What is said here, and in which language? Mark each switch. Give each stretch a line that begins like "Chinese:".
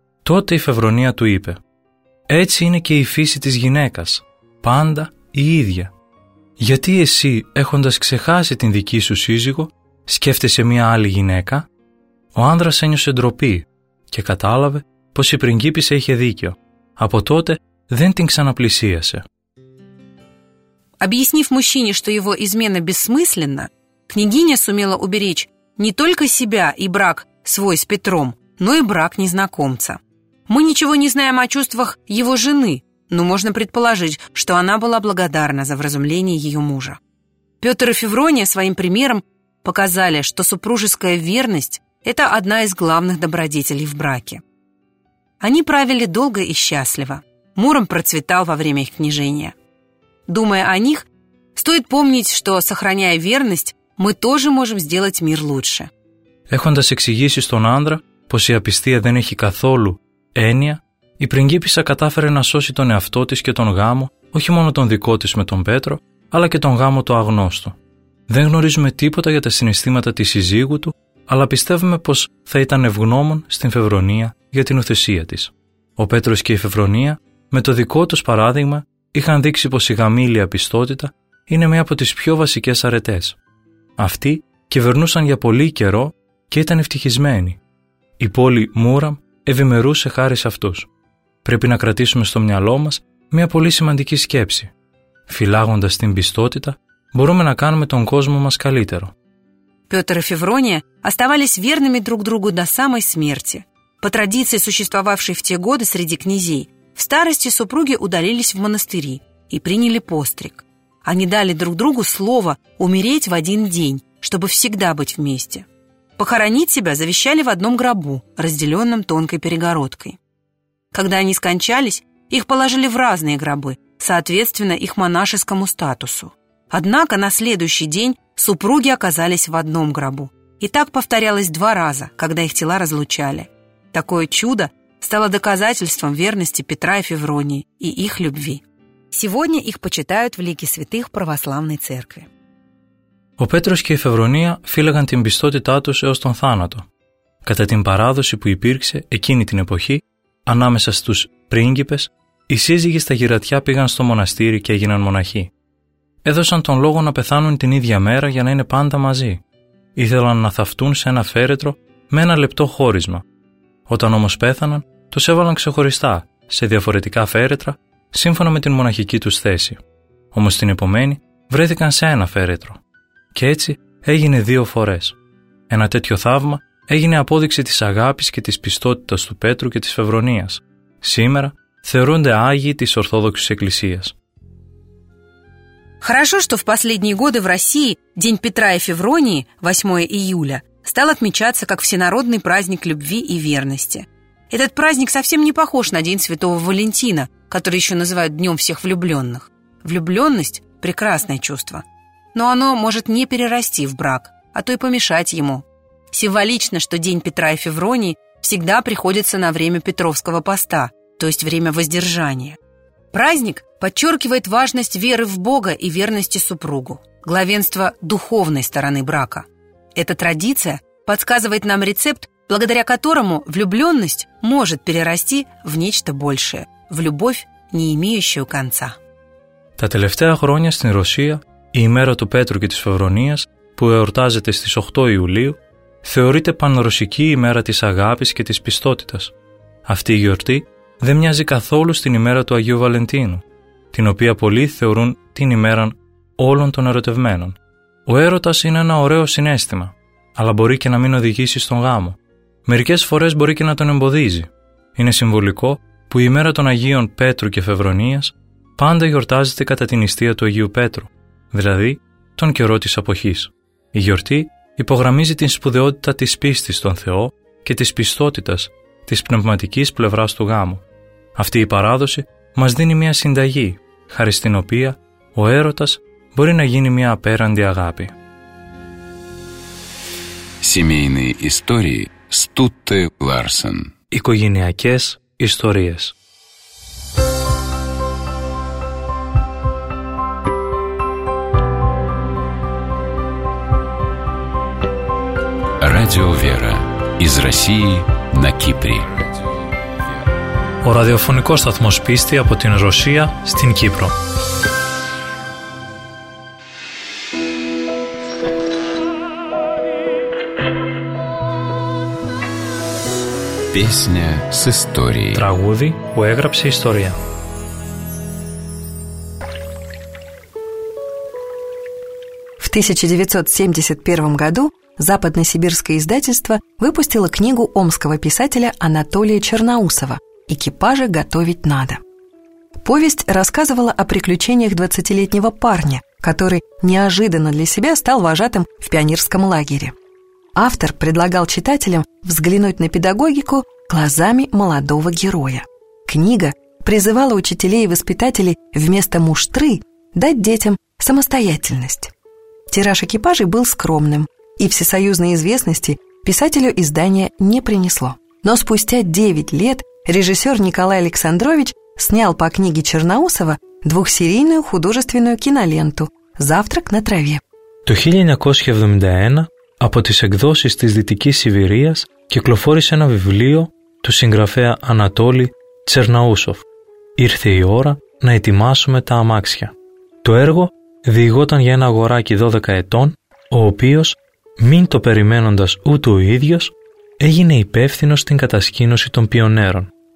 Greek: Τότε η Φευρονία του είπε: «Έτσι είναι και η φύση της γυναίκας, πάντα η ίδια. Γιατί εσύ, έχοντας ξεχάσει την δική σου σύζυγο, σκέφτεσαι μία άλλη γυναίκα?» Ο άνδρας ένιωσε ντροπή και κατάλαβε πως η πριγκίπισσα είχε δίκιο. Από τότε δεν την ξαναπλησίασε.
Russian: Объяснив мужчине, что его измена бессмысленна, княгиня сумела уберечь не только себя и брак свой с Петром, но и брак незнакомца. Мы ничего не знаем о чувствах его жены, но можно предположить, что она была благодарна за вразумление ее мужа. Петр и Феврония своим примером показали, что супружеская верность – это одна из главных добродетелей в браке. Они правили долго и счастливо. Муром процветал во время их княжения. Думая о них, стоит помнить, что, сохраняя верность, мы тоже можем сделать мир лучше.
Greek: Έχοντας εξηγήσει στον άντρα πως η απιστία δεν έχει καθόλου έννοια, η πριγκίπισσα κατάφερε να σώσει τον εαυτό της και τον γάμο, όχι μόνο τον δικό της με τον Πέτρο, αλλά και τον γάμο του αγνώστου. Δεν γνωρίζουμε τίποτα για τα συναισθήματα της συζύγου του, αλλά πιστεύουμε πως θα ήταν ευγνώμων στην Φευρονία για την ουθεσία της. Ο Πέτρος και η Φευρονία, με το δικό τους παράδειγμα, είχαν δείξει πως η γαμήλια πιστότητα είναι μία από τις πιο βασικές αρετές. Αυτοί κυβερνούσαν για πολύ καιρό και ήταν ευτυχισμένοι. Η πόλη Μούραμ ευημερούσε χάρη σε αυτούς. Πρέπει να κρατήσουμε στο μυαλό μας μία πολύ σημαντική σκέψη. Φυλάγοντας την πιστότητα, μπορούμε να κάνουμε τον κόσμο μας καλύτερο.
Russian: Петр и Феврония оставались верными друг другу до самой смерти. По традиции, существовавшей в те годы среди князей, в старости супруги удалились в монастыри и приняли постриг. Они дали друг другу слово умереть в один день, чтобы всегда быть вместе. Похоронить себя завещали в одном гробу, разделенном тонкой перегородкой. Когда они скончались, их положили в разные гробы, соответственно их монашескому статусу. Однако на следующий день супруги оказались в одном гробу. И так повторялось два раза, когда их тела разлучали. Такое чудо стало доказательством верности Петра и Февронии и их любви. Сегодня их почитают в лике святых православной церкви.
Greek: Ο Πέτρος και η Φευρονία φύλαγαν την πιστότητά τους έως τον θάνατο. Κατά την παράδοση που υπήρξε εκείνη την εποχή, ανάμεσα στους πρίγκιπες, οι σύζυγοι στα γυρατιά πήγαν στο μοναστήρι και έγιναν μοναχοί. Έδωσαν τον λόγο να πεθάνουν την ίδια μέρα για να είναι πάντα μαζί. Ήθελαν να θαυτούν σε ένα φέρετρο με ένα λεπτό χώρισμα. Όταν όμως πέθαναν, τους έβαλαν ξεχωριστά, σε διαφορετικά φέρετρα, σύμφωνα με την μοναχική τους θέση. Όμως την επομένη βρέθηκαν σε ένα φέρετρο. Και έτσι έγινε δύο φορές. Ένα τέτοιο θαύμα έγινε απόδειξη της αγάπης και της πιστότητας του Πέτρου και της Φευρονίας. Σήμερα θεωρούνται άγιοι της Ορθόδοξης Εκκλησίας.
Russian: Хорошо, что в последние годы в России День Петра и Февронии, 8 июля, стал отмечаться как всенародный праздник любви и верности. Этот праздник совсем не похож на День Святого Валентина, который еще называют Днем всех влюбленных. Влюбленность – прекрасное чувство. Но оно может не перерасти в брак, а то и помешать ему. Символично, что День Петра и Февронии всегда приходится на время Петровского поста, то есть время воздержания. Праздник подчеркивает важность веры в Бога и верности супругу, главенство духовной стороны брака. Эта традиция подсказывает нам рецепт, благодаря которому влюбленность может перерасти в нечто большее, в любовь, не имеющую конца.
Greek: Τα τελευταία χρόνια στην Ρωσία, η ημέρα του Πέτρου και της Φευρονίας, που εορτάζεται στις 8 Ιουλίου, θεωρείται πανρωσική ημέρα της αγάπης και της πιστότητας. Αυτή η γιορτή δεν μοιάζει καθόλου στην ημέρα του Αγίου Βαλεντίνου, την οποία πολλοί θεωρούν την ημέρα όλων των ερωτευμένων. Ο έρωτας είναι ένα ωραίο συνέστημα, αλλά μπορεί και να μην οδηγήσει στον γάμο. Μερικές φορές μπορεί και να τον εμποδίζει. Είναι συμβολικό που η ημέρα των Αγίων Πέτρου και Φευρονίας πάντα γιορτάζεται κατά την νηστεία του Αγίου Πέτρου, δηλαδή τον καιρό της αποχής. Η γιορτή υπογραμμίζει την σπουδαιότητα της πίστης στον Θεό και της πιστότητας της πνευματικής πλευράς του γάμου. Αυτή η παράδοση μας δίνει μια συνταγή, χάρη στην οποία ο έρωτας μπορεί να γίνει μια απέραντη αγάπη.
Russian: Семейные истории Стутте Ларсен.
Greek: Οικογενειακές ιστορίες.
Russian: Радио Вера. Из России на Кипре.
Greek: Ο ραδιοφωνικός σταθμός πίστη από την Ρωσία στην Κύπρο.
Russian: Песня с историей.
Greek: Τραγούδι που έγραψε ιστορία.
Russian: В 1971 году западносибирское издательство выпустило книгу омского писателя Анатолия Черноусова «Экипажи готовить надо». Повесть рассказывала о приключениях 20-летнего парня, который неожиданно для себя стал вожатым в пионерском лагере. Автор предлагал читателям взглянуть на педагогику глазами молодого героя. Книга призывала учителей и воспитателей вместо муштры дать детям самостоятельность. Тираж экипажей был скромным, и всесоюзной известности писателю издание не принесло. Но спустя 9 лет режиссер Николай Александрович снял по книге Черноусова двухсерийную художественную киноленту «Завтрак на траве».
Greek: Το 1971 από τις εκδόσεις της Δυτικής Σιβηρίας κυκλοφόρησε ένα βιβλίο του συγγραφέα Ανατόλη Τσερναούσοφ. Ήρθε η ώρα να ετοιμάσουμε τα αμάξια. Το έργο διηγόταν για ένα αγοράκι 12 ετών, ο οποίος, μην το περιμένοντας ούτε ο ίδιος, έγινε υπεύθυνος στην κατασκήνωση των πιονέρων.